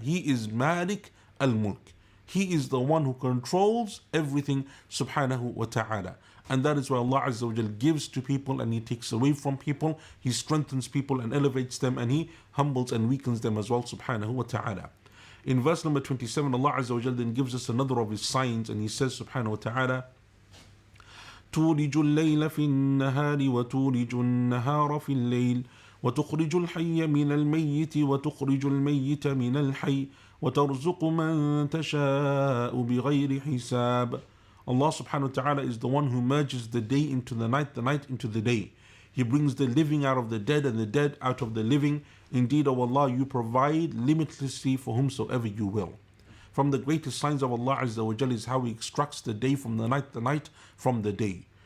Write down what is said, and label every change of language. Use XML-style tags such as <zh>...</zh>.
<en>He is Malik al-Mulk. He is the one who controls everything subhanahu wa ta'ala. And that is why Allah Azza wa Jal gives to people and He takes away from people. He strengthens people and elevates them and He humbles and weakens them as well, subhanahu wa ta'ala. In verse number 27, Allah Azza wa Jal then gives us another of His signs and He says, subhanahu wa ta'ala,</en> <ar>تُولِجُ اللَّيْلَ فِي النَّهَارِ وَتُولِجُ النَّهَارَ فِي اللَّيْلِ وَتُخْرِجُ الْحَيَّ مِنَ الْمَيِّتِ وَتُخْرِجُ الْمَيِّتَ مِنَ الْحَيِّ وَتَرْزُقُ مَن تَشَاءُ بِغَيْرِ حِسَابٍ.</ar> <en>Allah subhanahu wa ta'ala is the one who merges the day into the night into the day. He brings the living out of the dead and the dead out of the living. Indeed, O Allah, You provide limitlessly for whomsoever You will. From the greatest signs of Allah Azza wa Jalla is how He extracts the night from the day.</en>